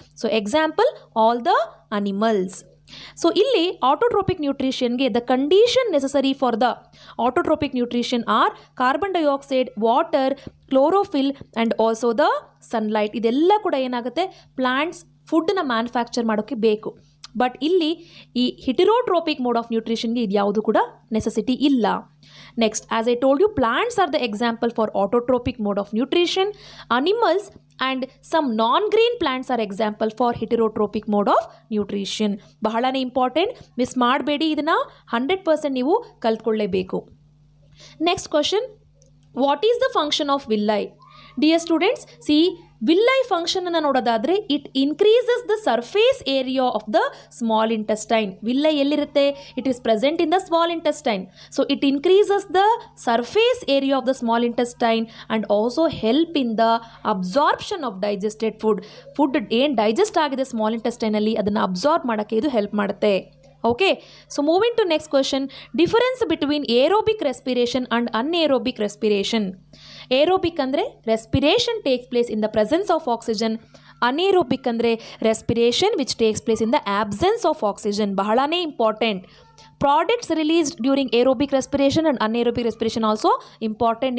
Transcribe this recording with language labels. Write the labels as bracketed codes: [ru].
[en] So example, all the animals. So illi autotrophic nutrition ge the condition necessary for the autotrophic nutrition are carbon dioxide, water, chlorophyll and also the sunlight. [kn] Idella kuda enagutte, plants food na manufacture madokke beku. But ಇಲ್ಲಿ ಈ ಹಿಟಿರೋಟ್ರೋಪಿಕ್ mode of ನ್ಯೂಟ್ರಿಷನ್ಗೆ ಇದು ಯಾವುದು ಕೂಡ necessity ಇಲ್ಲ. [en] Next, as I told you, plants are the example for autotrophic mode of nutrition. Animals and some non green plants are example for heterotrophic mode of nutrition. [kn] ಬಹಳನೇ important, miss ಮಾಡಬೇಡಿ ಇದನ್ನು, 100% ನೀವು ಕಲ್ತ್ಕೊಳ್ಳೇಬೇಕು. [en] Next question, what is the function of villi? Dear students, see, [kn] villi ಫಂಕ್ಷನನ್ನು ನೋಡೋದಾದರೆ [en] It increases the surface area of the small intestine. [kn] Villi ಎಲ್ಲಿರುತ್ತೆ? [en] It is present in the small intestine. So it increases the surface area of the small intestine and also help in the absorption of digested food. [kn] Food ಏನು digest ಆಗಿದೆ small ಇಂಟೆಸ್ಟೈನಲ್ಲಿ, ಅದನ್ನು absorb ಮಾಡೋಕ್ಕೆ ಇದು help ಮಾಡುತ್ತೆ. [en] Okay, so moving to next question. Difference between aerobic respiration and anaerobic respiration. Aerobic andre respiration takes place in the presence of oxygen. Anaerobic andre respiration which takes place in the absence of oxygen. Bahalane important. Products released during aerobic respiration and anaerobic respiration also important.